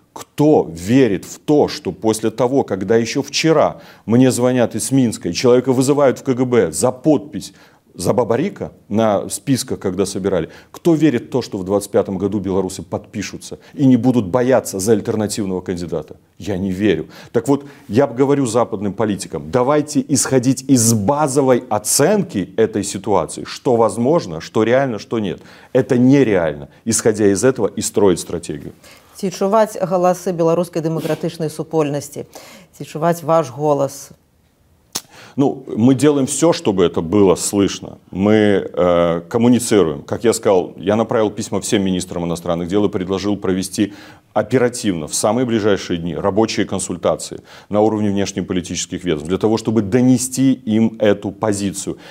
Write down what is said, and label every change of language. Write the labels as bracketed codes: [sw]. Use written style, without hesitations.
[ru] Кто верит в то, что после того, когда еще вчера мне звонят из Минска, и человека вызывают в КГБ за подпись за Бабарика на списках, когда собирали, кто верит в то, что в 2025 году белорусы подпишутся и не будут бояться за альтернативного кандидата? Я не верю. Так вот, я говорю западным политикам, давайте исходить из базовой оценки этой ситуации, что возможно, что реально, что нет. Это нереально, исходя из этого и строить стратегию. [be] Ці чуваць галасы беларускай дэмакратычнай супольнасці? Ці чуваць ваш голас? [ru] Ну, мы делаем все, чтобы это было слышно. Мы коммуницируем. Как я сказал, я направил письма всем министрам иностранных дел и предложил провести оперативно, в самые ближайшие дни, рабочие консультации на уровне внешнеполитических ведомств, для того, чтобы донести им эту позицию.